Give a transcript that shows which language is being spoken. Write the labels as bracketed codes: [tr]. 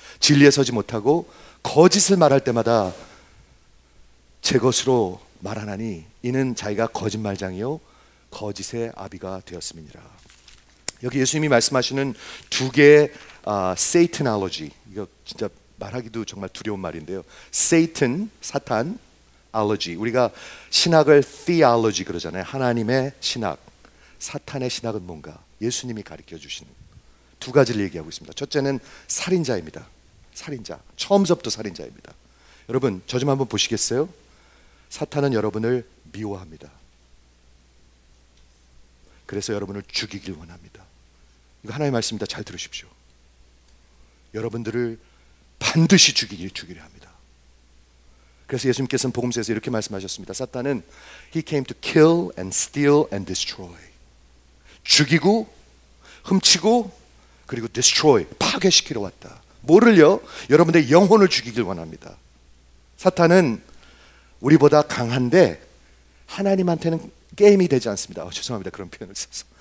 [ko] 진리에 서지 못하고 거짓을 말할 때마다 제 것으로 말하나니 이는 자기가 거짓말장이요 거짓의 아비가 되었음이니라. 여기 예수님이 말씀하시는 두 개의 Satan allergy, 이거 진짜 말하기도 정말 두려운 말인데요. Satan, 사탄 allergy. 우리가 신학을 theology 그러잖아요. 하나님의 신학, 사탄의 신학은 뭔가? 예수님이 가르쳐 주시는 두 가지를 얘기하고 있습니다. 첫째는 살인자입니다. 살인자, 처음부터 살인자입니다. 여러분, 저 좀 한번 보시겠어요? 사탄은 여러분을 미워합니다. 그래서 여러분을 죽이길 원합니다. 이거 하나님의 말씀입니다. 잘 들으십시오. 여러분들을 반드시 죽이려 합니다. 그래서 예수님께서는 복음서에서 이렇게 말씀하셨습니다. [en] 사탄은 He came to kill and steal and destroy. [ko] 죽이고 훔치고 그리고 destroy, 파괴시키러 왔다. 뭐를요? 여러분들의 영혼을 죽이길 원합니다. 사탄은 우리보다 강한데 하나님한테는 게임이 되지 않습니다. 죄송합니다. 그런 표현을 써서.